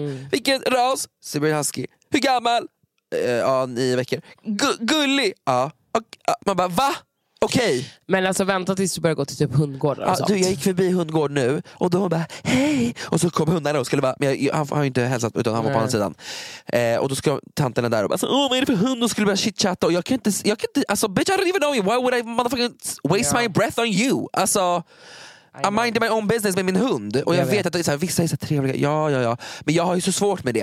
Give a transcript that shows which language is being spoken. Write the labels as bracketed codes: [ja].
[sv] Vilken ras, Siberian Husky. Hur gammal? 9 veckor. Gullig. Man bara va? Okej. Men alltså vänta tills du börjar gå till typ hundgården. Ja, du, jag gick förbi hundgård nu och då bara hej, och så kom hundarna och skulle bara, men han har ju inte hälsat utan han var på andra sidan. Och då ska tanten där och bara, åh, vad är det för hund, och skulle bara chitchatta, och jag kan inte alltså, [en] bitch, I don't even know you. Why would I motherfucking waste my breath on you? [sv] Alltså, [en] I mind my own business [sv] med min hund. Och jag vet att det är så här, vissa är så trevliga. Ja. Men jag har ju så svårt med det.